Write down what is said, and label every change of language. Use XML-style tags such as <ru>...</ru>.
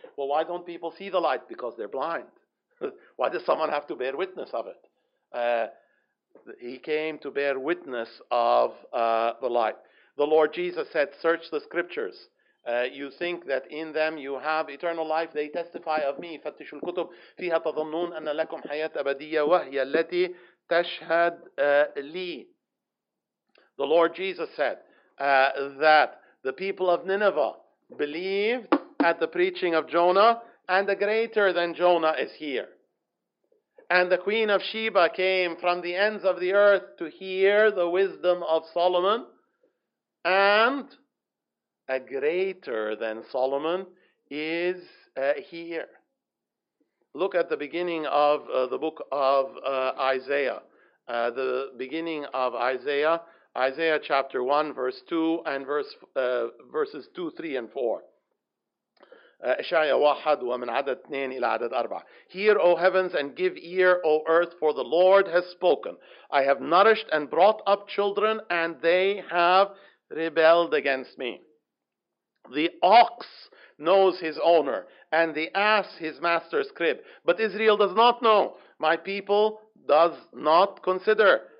<en>Well, why don't people see the light? Because they're blind. Why does someone have to bear witness of it? He came to bear witness of the light. The Lord Jesus said, search the scriptures. You think that in them you have eternal life. They testify of me.</en> <ar>فتشوا الكتب فيها تظنون أن لكم حياة أبدية وهي التي تشهد لي.</ar> <en>The Lord Jesus said that the people of Nineveh believed at the preaching of Jonah, and a greater than Jonah is here. And the Queen of Sheba came from the ends of the earth to hear the wisdom of Solomon. And a greater than Solomon is here. Look at the beginning of the book of Isaiah. The beginning of Isaiah. Isaiah chapter 1 verse 2 and verses 2, 3 and 4.</en> <ar>إشعياء واحد ومن عدد اثنين إلى عدد أربعة.</ar> <en>Hear, O heavens, and give ear, O earth, for the Lord has spoken. I have nourished and brought up children, and they have rebelled against me. The ox knows his owner, and the ass his master's crib. But Israel does not know. My people does not consider.</en>